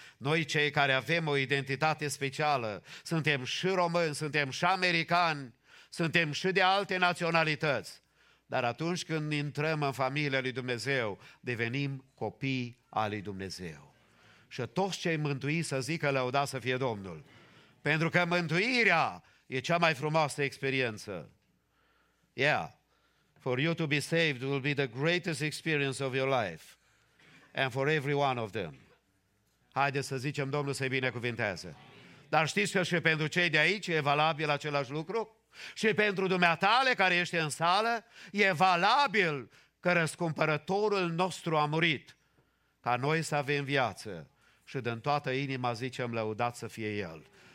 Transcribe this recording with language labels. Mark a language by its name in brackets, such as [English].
[Romanian] Noi cei care avem o identitate specială, suntem și români, suntem și americani, suntem și de alte naționalități. Dar atunci când intrăm în familia lui Dumnezeu, devenim copii al lui Dumnezeu. Și toți cei mântuiți să zică lăudați să fie Domnul. Pentru că mântuirea e cea mai frumoasă experiență. Yeah. [English] For you to be saved will be the greatest experience of your life. And for every one of them. [Romanian] Haideți să zicem Domnul să-i binecuvinteze. Dar știți că și pentru cei de aici e valabil același lucru? Și pentru dumneatale care ești în sală, e valabil că răscumpărătorul nostru a murit ca noi să avem viață și din toată inima zicem lăudat să fie El.